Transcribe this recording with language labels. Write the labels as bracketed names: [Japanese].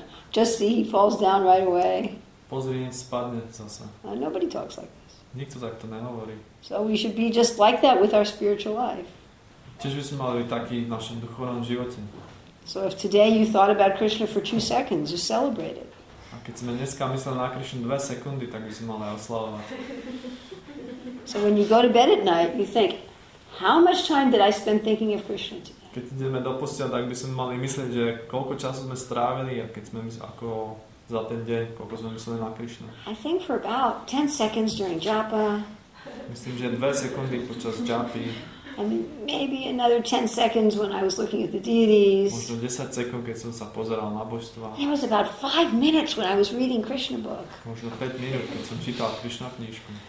[English] Just see, he falls down right away. [Slovak] Pozri, spadne zase. [English] And nobody talks like this. [Slovak] Nikto takto nehovorí. [English] So we should be just like that with our spiritual life. [Slovak] Čiže by sme mali byť taký v našom duchovnom živote. [English] So if today you thought about Krishna for 2 seconds, you celebrate it. [Slovak] A keď sme dneska mysleli na Krishnu 2 sekundy, tak by sme mali oslavovať. [English] So when you go to bed at night, you think, how much time did I spend thinking of Krishna today? [Slovak] Keď ideme do postele, tak by sme mali mysleť, že koľko času sme strávili a keď sme mysleli, ako za ten deň, koľko sme mysleli na Krishnu. [English] I think for about 10 seconds during japa. [Slovak] Myslím, že 2 sekundy počas japy. [English] And maybe another 10 seconds when I was looking at the deities. [Slovak] Možno 10 sekúnd, keď som sa pozeral na božstva. [English] It was about 5 minutes when I was reading Krishna book. [Slovak] Možno 5 minút, keď som čítal Krishna knižku.